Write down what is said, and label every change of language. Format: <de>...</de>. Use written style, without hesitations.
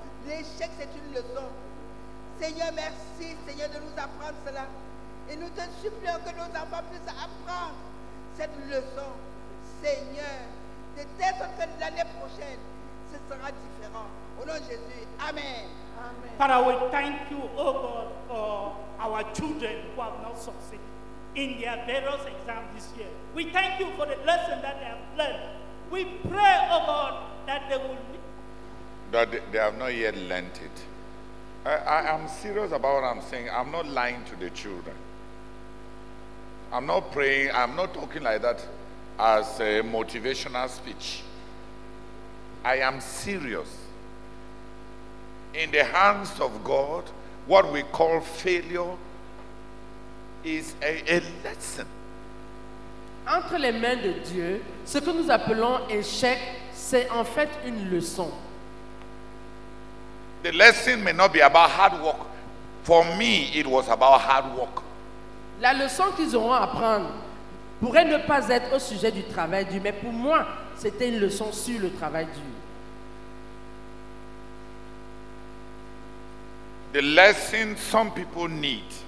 <fr>L'échec c'est une leçon. Seigneur, merci Seigneur de nous apprendre cela. Et nous te supplions que nos enfants puissent apprendre cette leçon. Seigneur, de telle sorte que l'année prochaine, ce sera différent. Au nom de Jésus. Amen. Amen.</fr> <en>Father, we thank you, O God, for our children who have not succeeded in their various exams this year. We thank you for the lesson that they have learned. We pray, O God, that they will... That they have not yet learned it. I am serious about what I'm saying. I'm not lying to the children. I'm not praying. I'm not talking like that as a motivational speech. I am serious. In the hands of God, what we call failure is a lesson.</en> <fr>Entre les mains de Dieu, ce que nous appelons échec, c'est en fait une leçon.</fr> <en>The lesson may not be about hard work. For me, it was about hard work.</en> <fr>La leçon qu'ils auront à apprendre pourrait ne pas être au sujet du travail dur, mais pour moi, c'était une leçon sur le travail dur.</fr> <en>The lesson some people need,</en>